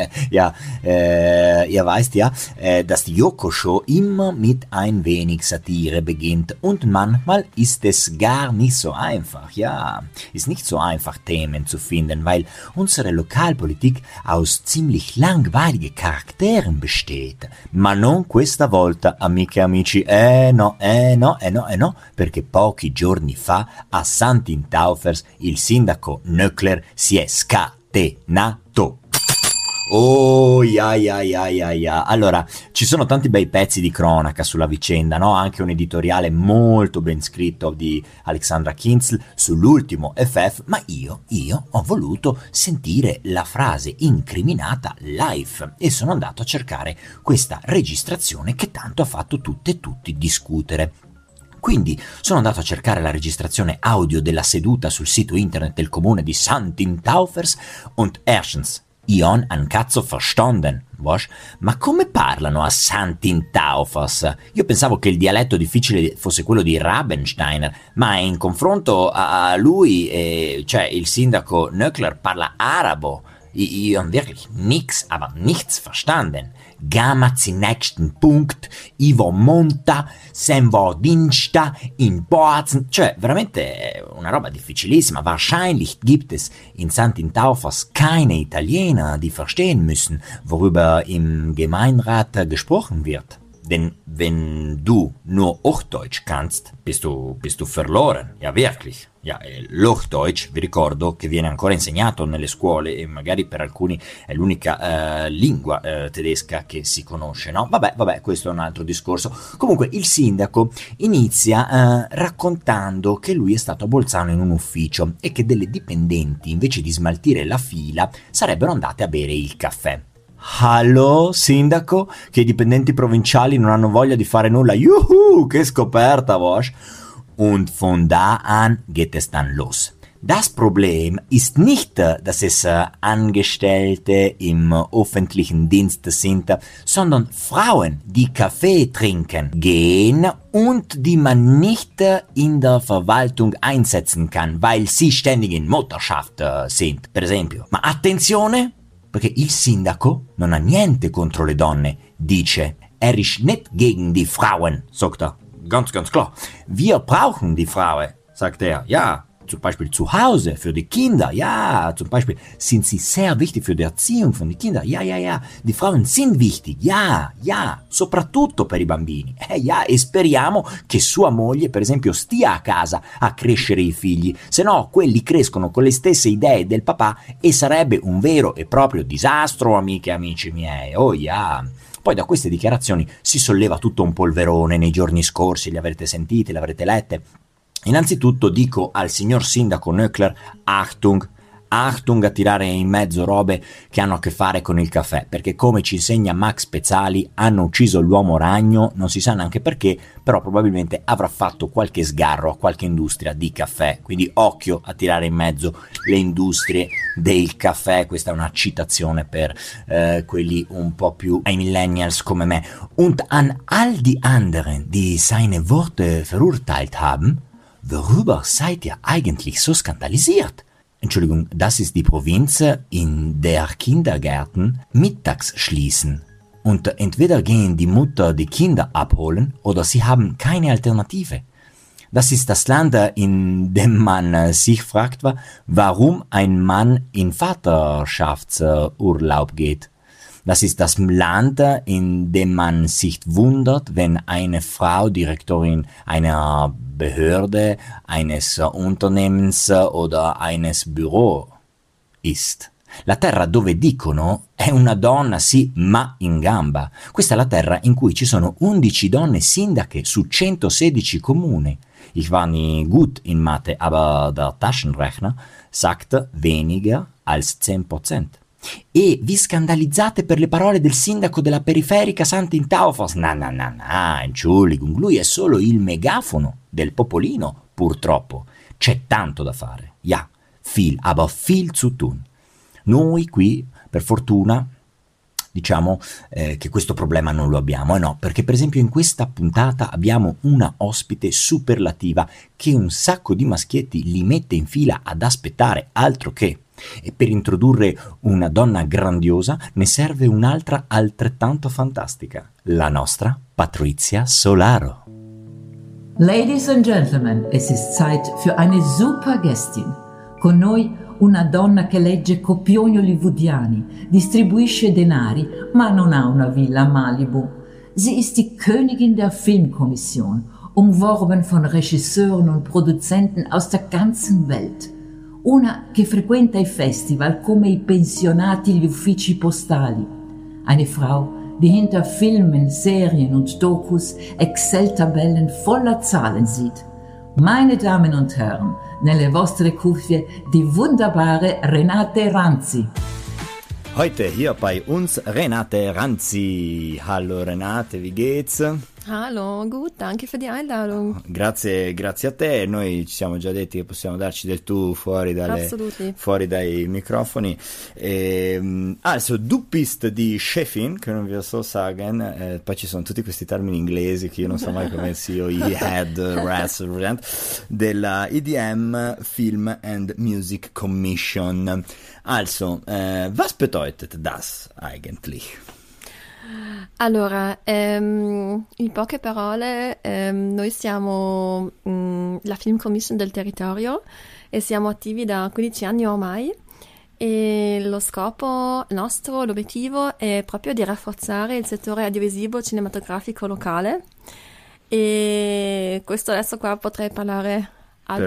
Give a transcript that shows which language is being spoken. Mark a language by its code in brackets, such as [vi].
[de] Ja, ja, weißt ja, das Joko-Show immer mit ein wenig Satire beginnt. Und manchmal ist es gar nicht so einfach, ja. Ist nicht so einfach, Themen zu finden, weil unsere Lokalpolitik aus ziemlich langweiligen Charakteren besteht. State. [it] Ma non questa volta, amiche e amici, no, perché pochi giorni fa a Xanthin-Taufers il sindaco Nöckler si è scatenato. Oh, ya. Allora, ci sono tanti bei pezzi di cronaca sulla vicenda, no? Anche un editoriale molto ben scritto di Alexandra Kinzel sull'ultimo FF, ma io ho voluto sentire la frase incriminata live e sono andato a cercare questa registrazione che tanto ha fatto tutte e tutti discutere. Quindi sono andato a cercare la registrazione audio della seduta sul sito internet del comune di Xanthin-Taufers [de] und erstens. Ion an cazzo verstanden, was? [it] Ma come parlano a Xanthin-Taufers? Io pensavo che il dialetto difficile fosse quello di Rabensteiner, ma in confronto a lui, cioè il sindaco Nöckler parla arabo. [de] Ion wirklich nix, aber nichts verstanden. Gamma zi nächsten Punkt, Ivo Monta, Senvo Dinsta, in Boazen. [it] Cioè, veramente una roba difficilissima. [de] Wahrscheinlich gibt es in Xanthin-Taufers keine Italiener, die verstehen müssen, worüber im Gemeinderat gesprochen wird. Denn wenn du nur Hochdeutsch kannst, bist du verloren. Ja, wirklich. [it] Ja, l'Hochdeutsch, vi ricordo, che viene ancora insegnato nelle scuole e magari per alcuni è l'unica lingua tedesca che si conosce, no? Vabbè, questo è un altro discorso. Comunque, il sindaco inizia raccontando che lui è stato a Bolzano in un ufficio e che delle dipendenti, invece di smaltire la fila, sarebbero andate a bere il caffè. Hallo, sindaco? Che i dipendenti provinciali non hanno voglia di fare nulla? Juhu, che scoperta, vos! [de] Und von da an geht es dann los. Das Problem ist nicht, dass es Angestellte im öffentlichen Dienst sind, sondern Frauen, die Kaffee trinken gehen und die man nicht in der Verwaltung einsetzen kann, weil sie ständig in Mutterschaft sind, [it] per esempio. Ma attenzione, perché il sindaco non ha niente contro le donne, dice. [de] Er ist nicht gegen die Frauen, sagt er. Ganz, ganz klar. Wir brauchen die Frau, sagt er. Ja, zum Beispiel zu Hause, für die Kinder. Ja, zum Beispiel sind sie sehr wichtig für die Erziehung von den Kindern. Ja. Die Frauen sind wichtig. Ja. [it] Soprattutto per i bambini. Ja, e speriamo che sua moglie, per esempio, stia a casa a crescere i figli. Se no, quelli crescono con le stesse idee del papà e sarebbe un vero e proprio disastro, amiche e amici miei. Oh, ja. Poi da queste dichiarazioni si solleva tutto un polverone nei giorni scorsi, li avrete sentite, li avrete lette. Innanzitutto dico al signor sindaco Nöckler, Achtung a tirare in mezzo robe che hanno a che fare con il caffè, perché come ci insegna Max Pezzali, hanno ucciso l'uomo ragno, non si sa neanche perché, però probabilmente avrà fatto qualche sgarro a qualche industria di caffè, quindi occhio a tirare in mezzo le industrie del caffè. Questa è una citazione per quelli un po' più ai millennials come me. [de] Und an all die anderen, die seine Worte verurteilt haben, worüber seid ihr eigentlich so skandalisiert? Entschuldigung, das ist die Provinz, in der Kindergärten mittags schließen. Und entweder gehen die Mutter die Kinder abholen oder sie haben keine Alternative. Das ist das Land, in dem man sich fragt, warum ein Mann in Vaterschaftsurlaub geht. Das ist das Land, in dem man sich wundert, wenn eine Frau Direktorin einer Behörde, eines Unternehmens oder eines Büro ist. [it] La terra dove dicono è una donna, sì, ma in gamba. Questa è la terra in cui ci sono 11 donne sindache su 116 comuni. [de] Ich war nie gut in Mathe, aber der Taschenrechner sagt weniger als 10%. [it] E vi scandalizzate per le parole del sindaco della periferica Sant'Intaufos? Na na na na, Entschuldigung, lui è solo il megafono del popolino, purtroppo. C'è tanto da fare. [de] Ja, viel, aber viel zu tun. [it] Noi qui, per fortuna, diciamo che questo problema non lo abbiamo, no, perché per esempio in questa puntata abbiamo una ospite superlativa che un sacco di maschietti li mette in fila ad aspettare, altro che. E per introdurre una donna grandiosa ne serve un'altra altrettanto fantastica, la nostra Patrizia Solaro. [en] Ladies and gentlemen, [de] es ist Zeit für eine super Gästin. [it] Con noi una donna che legge copioni hollywoodiani, distribuisce denari, ma non ha una villa a Malibu. [de] Sie ist die Königin der Filmkommission, umworben von Regisseuren und Produzenten aus der ganzen Welt. [it] Una che frequenta i festival come i pensionati gli uffici postali. [de] Eine Frau, die hinter Filmen, Serien und Dokus Excel-Tabellen voller Zahlen sieht. Meine Damen und Herren, [it] nelle vostre cuffie [de] die wunderbare Renate Ranzi. Heute hier bei uns Renate Ranzi. Hallo Renate, wie geht's? Hallo, gut, danke für die Einladung. [it] Grazie, grazie a te. Noi ci siamo già detti che possiamo darci del tu fuori, fuori dai microfoni. [de] Also, du bist die Chefin, [it] che non vi so [de] sagen. [it] Poi ci sono tutti questi termini inglesi che io non so mai come sia, i head, resident, della EDM Film and Music Commission. [de] Also, was bedeutet das eigentlich? [it] Allora, in poche parole, noi siamo la Film Commission del territorio e siamo attivi da 15 anni ormai e lo scopo nostro, l'obiettivo è proprio di rafforzare il settore audiovisivo cinematografico locale e questo adesso qua potrei parlare a